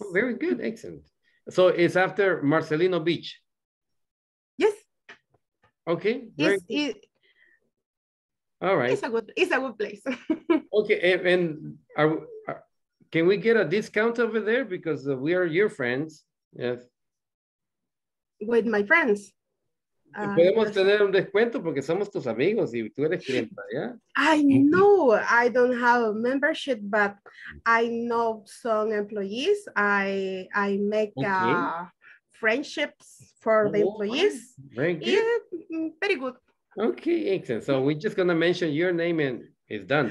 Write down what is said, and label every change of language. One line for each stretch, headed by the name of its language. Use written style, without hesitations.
English: Oh, very good, excellent. So it's after Marcelino Beach? Yes. Okay. All right. It's a good place. Okay. And can we get a discount over there? Because we are your friends. Yes. with my friends.
Spanish: Podemos tener un descuento porque somos tus amigos y tú eres clienta, ¿ya?
English: I know I don't have a membership, but I know some employees. I make friendships for the employees. Very good. Yeah, very good. Okay, excellent. So we're just going to mention your name and it's done.